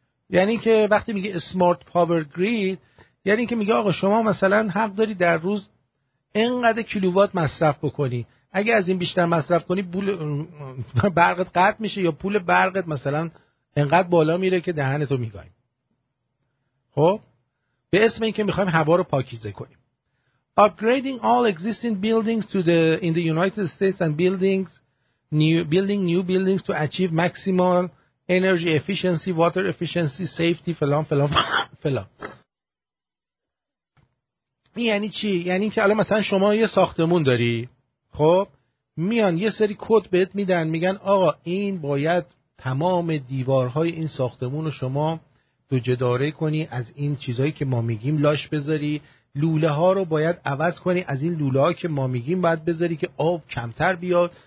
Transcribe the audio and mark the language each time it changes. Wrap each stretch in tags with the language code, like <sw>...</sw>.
<fa>یعنی که وقتی میگه smart power grid، یعنی که میگه آقا شما مثلا حق داری در روز اینقدر کیلووات مصرف بکنی، اگه از این بیشتر مصرف کنی پول برقت قطع میشه یا پول برقت مثلا اینقدر بالا میره که دهنتو میگاییم. خب به اسم این که میخوایم هوا رو پاکیزه کنیم.</fa> <en>Upgrading all existing buildings to the in the United States and building new buildings to achieve maximal energy efficiency, water efficiency, safety,</en> <fa>فلان فلان فلان. یعنی چی؟ یعنی که الان مثلا شما یه ساختمون داری، خب میان یه سری کد بهت میدن، میگن آقا این باید تمام دیوارهای این ساختمون رو شما دو جداره کنی، از این چیزایی که ما میگیم لاش بذاری، لوله ها رو باید عوض کنی، از این لوله ها که ما میگیم باید بذاری که آب کمتر بیاد،</fa>